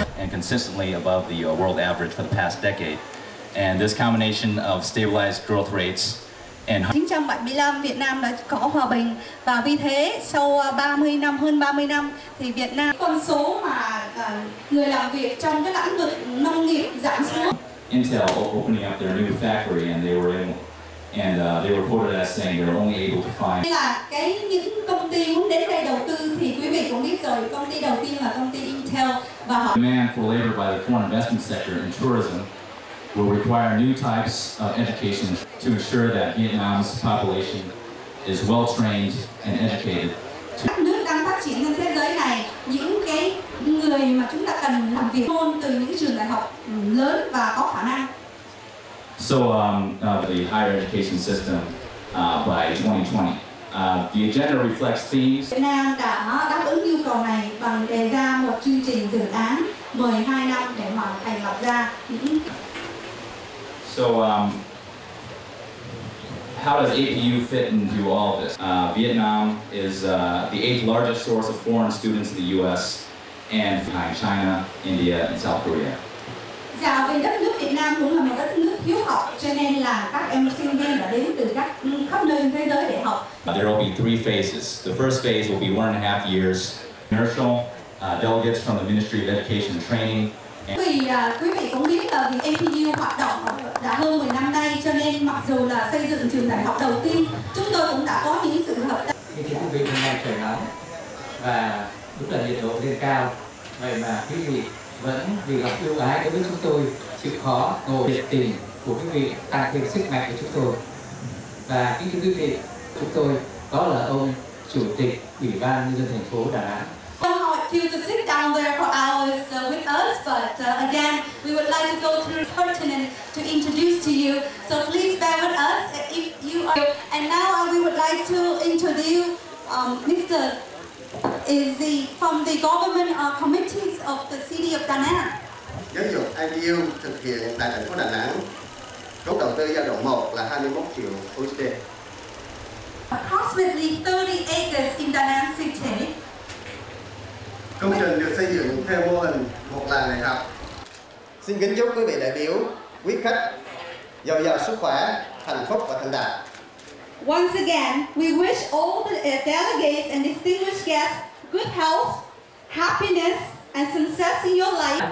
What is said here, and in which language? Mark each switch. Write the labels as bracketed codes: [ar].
[en] Consistently above the world average for the past decade, and this combination of stabilized growth rates and [vi] 1975 Việt Nam đã có hòa bình, và vì thế sau 30 năm, hơn 30 năm thì Việt Nam con số mà người làm việc trong cái lĩnh vực nông nghiệp giảm xuống. [en] Intel opening up their new factory and they were able, and they reported as saying they're only able to find. [vi] Là cái những công ty muốn đến đây đầu tư thì quý vị cũng biết rồi, công ty đầu tiên là công ty Intel. [en] Demand for labor by the foreign investment sector in tourism will require new types of education to ensure that Vietnam's population is well trained and educated. [vi] Các nước đang phát triển trên thế giới này, những cái người mà chúng ta cần làm việc hơn từ những trường đại học lớn và có khả năng. [en] So the higher education system by 2020. The agenda reflects themes. [vi] Việt Nam đã đáp ứng yêu cầu này bằng đề ra một chương trình dự án 12 năm để mà thành lập ra những. [en] So, how does APU fit into all of this? Vietnam is the eighth largest source of foreign students in the U.S. and behind China, India, and South Korea. [vi] Dạ, vì đất nước Việt Nam cũng là một đất nước hiếu học, cho nên là các em sinh viên đã đến từ các khắp nơi trên thế giới để học. [en] There will be three phases. The first phase will be 1.5 years. Commercial delegates from the Ministry of Education and Training. [vi] And vì quý vị cũng biết là APU hoạt động đã hơn 10 năm nay, cho nên mặc dù là xây dựng trường đại học đầu tiên, chúng tôi cũng đã có những sự hợp tác. Thì quý vị hôm nay trời nóng và lúc là nhiệt độ lên cao, vậy mà quý vị vẫn vì lòng yêu ái đối với chúng tôi chịu khó ngồi nhiệt tình của quý vị tăng thêm sức mạnh của chúng tôi. Và kính thưa quý vị, chúng tôi đó là ông chủ tịch ủy ban nhân dân thành phố Đà Nẵng. [en] I want you to sit down there for hours with us, but again we would like to go through pertinent to introduce to you, so please bear with us if you are. And now we would like to introduce Mr. Is he from the government committees of the city of Đà Nẵng? [vi] Giáo dục IPU thực hiện tại thành phố Đà Nẵng. Số đầu tư giai đoạn 1 là 21 triệu USD. [en] Approximately 30 acres in Đà Nẵng City. [vi] Công trình được xây dựng theo mô hình một làng đại học. Xin kính chúc quý vị đại biểu, quý khách dồi dào sức khỏe, hạnh phúc và thành đạt. [en] Once again, we wish all the delegates and distinguished guests good health, happiness, and success in your life.